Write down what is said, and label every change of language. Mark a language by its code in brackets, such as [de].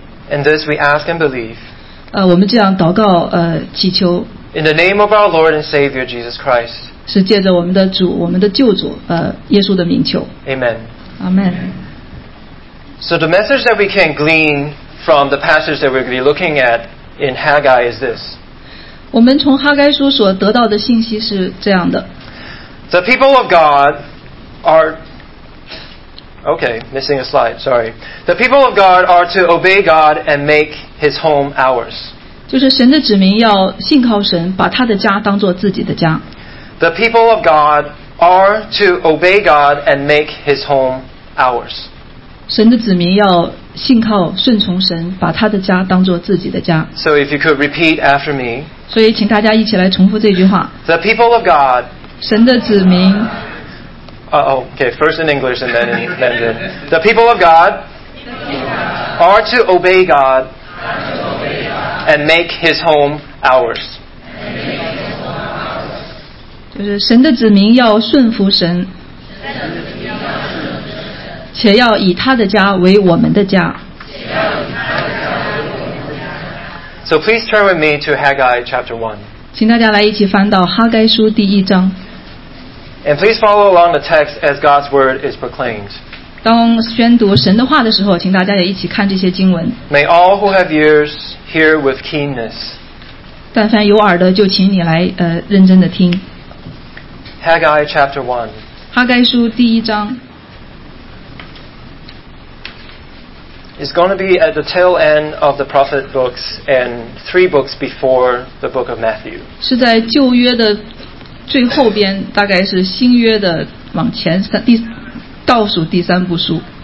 [en] And this we ask and believe. [zh] 我们这样祷告，祈求。 [en] In the name of our Lord and Savior Jesus Christ. [zh] 是借着我们的主，我们的救主，耶稣的名求。 [en] Amen. Amen. So the message that we can glean from the passage that we're going to be looking at in Haggai is this. [zh] 我们从哈该书所得到的信息是这样的。 [en] The people of God are okay, missing a slide. Sorry. The people of God are to obey God and make His home ours. [zh] 就是神的子民要信靠神，把他的家当做自己的家。 [en] The people of God are to obey God and make His home ours. [zh] 神的子民要信靠顺从神，把他的家当做自己的家。 [en] So if you could repeat after me. [zh] 所以请大家一起来重复这句话 [en] The people of God [zh] 神的子民 [en] okay, first in English and then in Mandarin The people of God are to obey God and make his home ours [zh] 就是神的子民要顺服神且要以他的家为我们的家 [en] So please turn with me to Haggai chapter 1. [zh] 请大家来一起翻到哈该书第一章。 [en] And please follow along the text as God's word is proclaimed. [zh] 当宣读神的话的时候，请大家也一起看这些经文。 [en] May all who have ears hear with keenness. [zh] 但凡有耳的，就请你来认真的听。 [en] Haggai chapter 1. [zh] 哈该书第一章。 [en] is going to be at the tail end of the prophet books and three books before the book of Matthew. [zh] 是在旧约的最后边，大概是新约的往前三第倒数第三部书。